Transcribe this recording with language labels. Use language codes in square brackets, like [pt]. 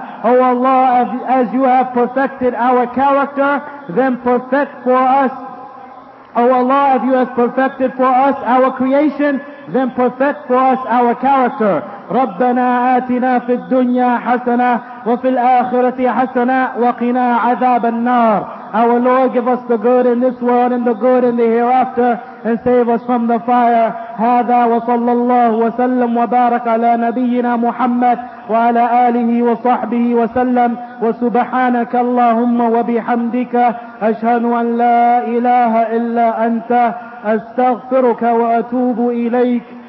[en] Oh Allah, as you have perfected our character, then perfect for us. Oh Allah, as you have perfected for us our creation, then perfect for us our character. [ar] ربنا آتنا في الدنيا حسنة وفي الآخرة حسنة وقنا عذاب النار. [en] Our Lord, give us the good in this world and the good in the hereafter, and save us from the fire. [ar] هذا وصلى الله وسلم وبارك على نبينا محمد وعلى آله وصحبه وسلم. وسبحانك اللهم وبحمدك أشهد أن لا إله إلا أنت أستغفرك وأتوب إليك.